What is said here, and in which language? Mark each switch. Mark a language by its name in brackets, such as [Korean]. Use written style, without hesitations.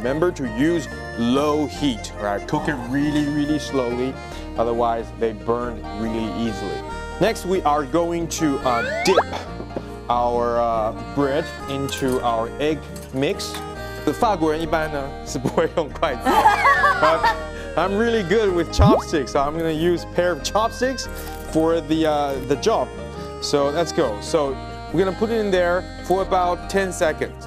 [English] Remember to use low heat, right? Cook it really, really slowly. Otherwise, they burn really easily. Next, we are going to dip our bread into our egg mix. [Chinese] 法国人一般呢是不会用筷子。 [English] I'm really good with chopsticks, so I'm going to use a pair of chopsticks for the job. So let's go. So we're going to put it in there for about 10 seconds.